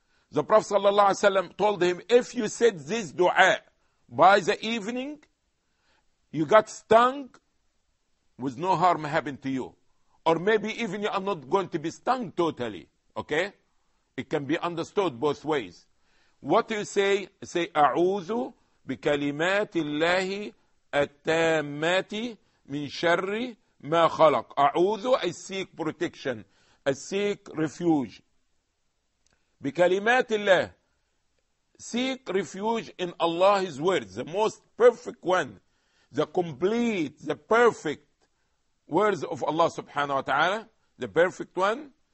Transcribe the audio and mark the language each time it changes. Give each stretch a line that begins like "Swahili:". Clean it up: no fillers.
English: The Prophet sallallahu alaihi wasallam told him, if you said this dua by the evening, you got stung, with no harm happened to you. Or maybe even you are not going to be stung totally. Okay? It can be understood both ways. What do you say?
Arabic: Say, أعوذ بكلمات الله التامات من شر ما خلق.
English: أعوذ, I seek protection. I seek refuge.
Arabic: بكلمات الله.
English: Seek refuge in Allah's words. The most perfect one. The complete, the perfect words of Allah subhanahu wa ta'ala. The perfect one.